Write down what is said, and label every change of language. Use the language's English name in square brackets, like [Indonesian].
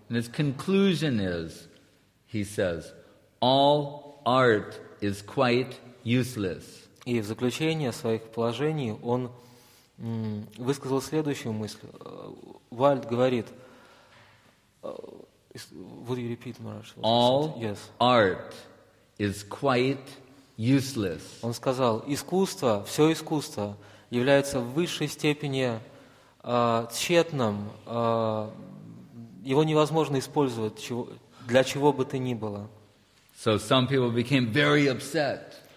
[English] And his conclusion is, he says, all art is quite useless. [Russian] И в заключение своих положений он высказал следующую мысль. Вальд говорит, [English] would you repeat, Maharaj? All art is quite useless. [Russian] Он сказал, искусство, все искусство является в высшей степени тщетным, его невозможно использовать для чего бы то ни было. [English] So some people became very upset.